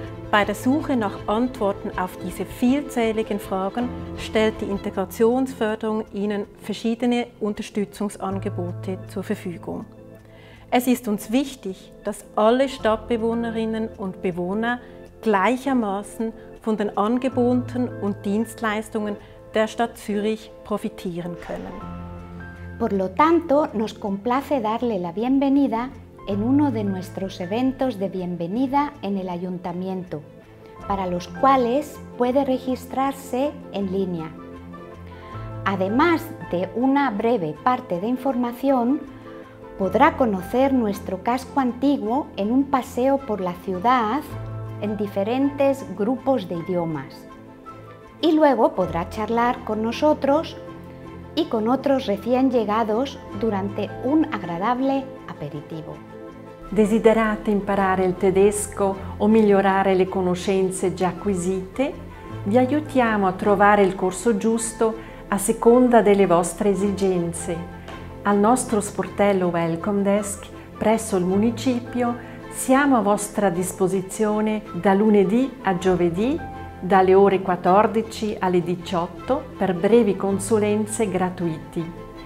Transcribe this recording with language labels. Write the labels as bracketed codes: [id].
[de] Bei der Suche nach Antworten auf diese vielzähligen Fragen stellt die Integrationsförderung Ihnen verschiedene Unterstützungsangebote zur Verfügung. Es ist uns wichtig, dass alle Stadtbewohnerinnen und Bewohner gleichermaßen von den Angeboten und Dienstleistungen der Stadt Zürich profitieren können. [es] Por lo tanto, nos complace darle la bienvenida en uno de nuestros eventos de bienvenida en el Ayuntamiento, para los cuales puede registrarse en línea. Además de una breve parte de información, podrá conocer nuestro casco antiguo en un paseo por la ciudad en diferentes grupos de idiomas. Y luego podrá charlar con nosotros y con otros recién llegados durante un agradable aperitivo. [it] Desiderate imparare il tedesco o migliorare le conoscenze già acquisite? Vi aiutiamo a trovare il corso giusto a seconda delle vostre esigenze. Al nostro sportello Welcome Desk presso il municipio siamo a vostra disposizione da lunedì a giovedì dalle ore 14 alle 18 per brevi consulenze gratuiti.